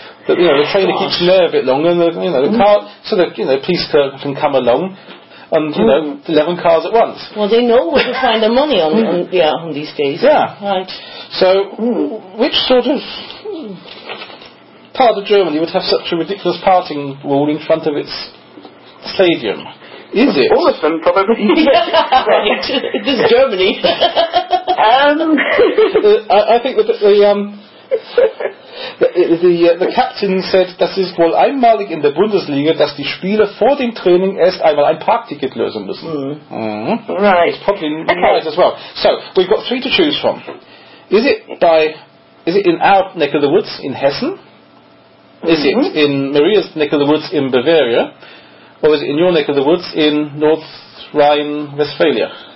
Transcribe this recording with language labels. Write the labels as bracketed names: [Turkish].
[English] The trainer keeps in there a bit longer, and the police can come along, and 11 cars at once. Well, they know where to find the money on these days. Yeah. Right. So, which sort of part of Germany would have such a ridiculous parking rule in front of its stadium? Is it? All of them, probably. Right. This is Germany. I think the captain said, [German] das ist wohl einmalig in der Bundesliga, dass die Spieler vor dem Training erst einmal ein Parkticket lösen müssen. [English] Right. It's probably right as well. So, we've got three to choose from. Is it in our neck of the woods in Hessen? Is it in Maria's neck of the woods in Bavaria? Or is it in your neck of the woods in North Rhine-Westphalia?